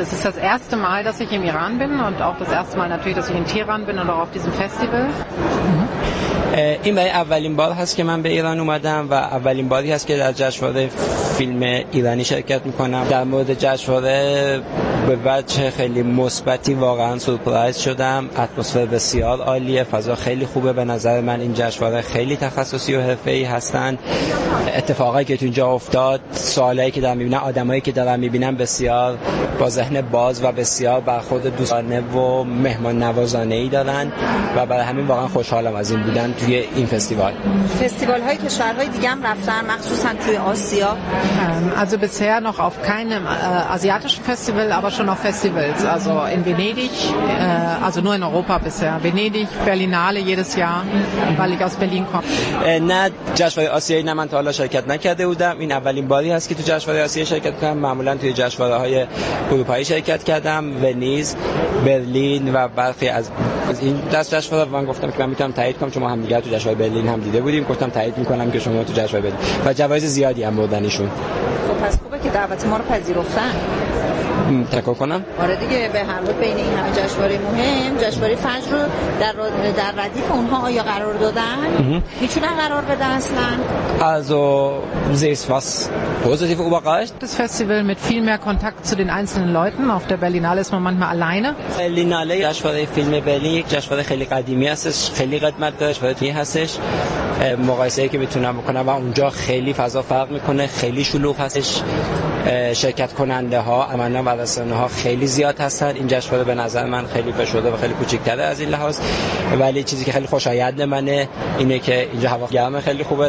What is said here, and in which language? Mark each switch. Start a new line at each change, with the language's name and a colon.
German: es ist das erste Mal, dass ich im Iran bin und auch das erste Mal natürlich, dass ich in Teheran bin oder auf diesem Festival.
Persian: این برای اولین بار هست که من به ایران اومدم و اولین باری هست که در جشنواره فیلم ایرانی شرکت میکنم. در مورد جشنواره به وجه خیلی مثبتی واقعا سورپرایز شدم. اتمسفر بسیار عالیه، فضا خیلی خوبه. به نظر من این جشنواره خیلی تخصصی و حرفه‌ای هستن. اتفاقایی که تو اینجا افتاد، سوالایی که دارم میبینم، آدمایی که دارم میبینم بسیار با ذهن باز و بسیار برخورد دوستانه و مهمان نوازانه ای دارن و برای همین واقعا خوشحالم از این بودن توی این فستیوال. فستیوال های کشورهای دیگه هم رفتن، مخصوصا توی آسیا.
German: Also bisher noch auf keinem asiatischen Festival, aber schon auf Festivals. Also in Venedig, also nur in Europa bisher. Venedig, Berlinale jedes Jahr, weil ich aus Berlin komme.
Persian: نه جشنواره آسیایی نه من تا حالا شرکت نکرده بودم. این اولین باری هست که تو جشنواره آسیایی شرکت کنم. معمولا توی جشنواره های اروپایی شرکت کردم، ونیز، برلین و برخی از این دست جشنواره. من گفتم که من میتونم تایید کنم، چون ما هم دیگه تو جشنواره برلین هم دیده بودیم. گفتم تایید میکنم که شما تو جشنواره برلین و جوایز زیادی هم بردن ایشون. خب پس خوبه که دعوت ما رو پذیرفتن. تکرار کنم؟ آره دیگه، به هر حال بین این همه جشنواره مهم، جشنواره فجر رو در ردیف اونها آیا قرار دادن؟ میتونن قرار بدن اصلا؟
German: Also sehe ich was positiv überrascht. Das Festival mit viel mehr Kontakt zu den einzelnen Leuten. Auf der Berlinale ist man manchmal alleine.
Persian: Berlinale, جشنواره فیلم برلین، یک جشنواره خیلی قدیمی هستش، خیلی قدمت داره، جشنواره هستش. مقایسه‌ای که میتونم بکنم، و اونجا خیلی فضا فرق میکنه، خیلی شلوغ هستش. شرکت کننده ها امنا و رسانه ها خیلی زیاد هستن. این جشنواره به نظر من خیلی فشرده و خیلی کوچکتره از این لحاظ، ولی چیزی که خیلی خوشایند منه اینه که اینجا هوا گرم خیلی خوبه.